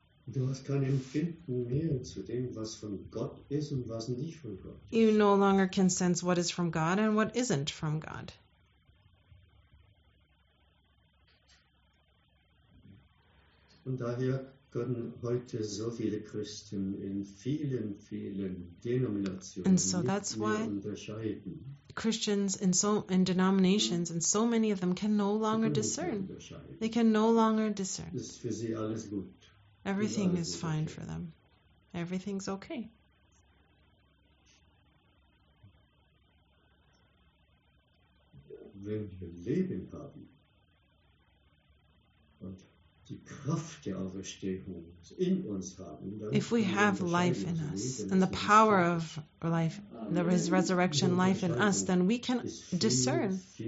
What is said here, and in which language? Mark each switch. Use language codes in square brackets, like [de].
[de] Du hast kein Empfinden mehr zu dem, was von Gott ist und was nicht von Gott ist. [en] You no longer can sense what is from God and what isn't from God. [de] Und daher können heute so viele Christen in vielen, vielen Denominationen [en] and so that's why [de] unterscheiden. [en] Christians in denominations and so many of them can no longer discern. They can no longer discern. [de] Das ist für sie alles gut. [en] Everything is fine for them. Everything's okay. [de] Wenn wir Leben haben und die Kraft der Auferstehung in uns haben, [en] if we have life in us and the power of life, there is resurrection life in us, then we can discern.